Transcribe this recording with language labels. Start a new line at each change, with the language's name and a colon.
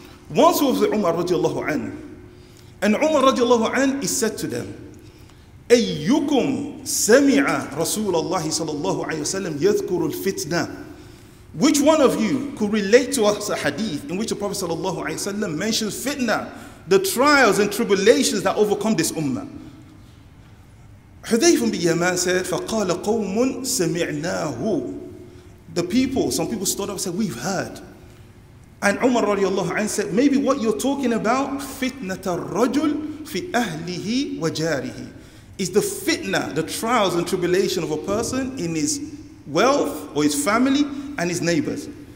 English: Once we were with Umar radiallahu anhu, and Umar radiallahu anhu, he said to them,
Arabic: أيكم سمع رسول الله صلى الله عليه وسلم يذكر الفتنة.
English: Which one of you could relate to us a hadith in which the Prophet صلى الله عليه وسلم mentions fitna, the trials and tribulations that overcome this ummah?
Arabic: حذيفة بن يمان
English: said,
Arabic: فقال قوم سمعناه.
English: The people, some people stood up and said, we've heard. And Umar رضي الله عنه said, maybe what you're talking about,
Arabic: فتنة الرجل في أهله وجاره.
English: Is the fitna, the trials and tribulation of a person in his wealth or his family and his neighbors.